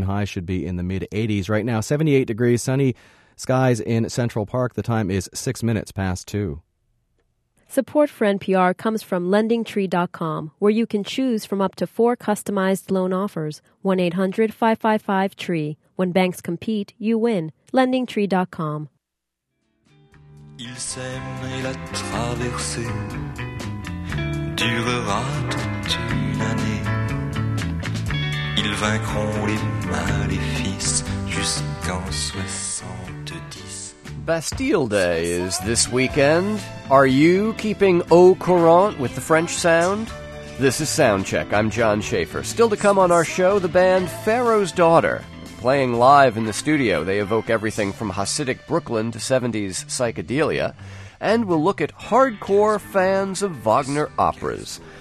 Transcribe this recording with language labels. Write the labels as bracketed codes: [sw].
[en] High should be in the mid-80s. Right now, 78 degrees. Sunny skies in Central Park. The time is 6 minutes past 2. Support for NPR comes from LendingTree.com, where you can choose from up to 4 customized loan offers. 1-800-555-TREE. When banks compete, you win. LendingTree.com. [fr] Il s'aime et la traversée durera toute une année. Ils vaincront les maléfices jusqu'en 70. [en] Bastille Day is this weekend. Are you keeping au courant with the French sound? This is Soundcheck. I'm John Schaefer. Still to come on our show, the band Pharaoh's Daughter. Playing live in the studio, they evoke everything from Hasidic Brooklyn to 70s psychedelia, and we'll look at hardcore fans of Wagner operas.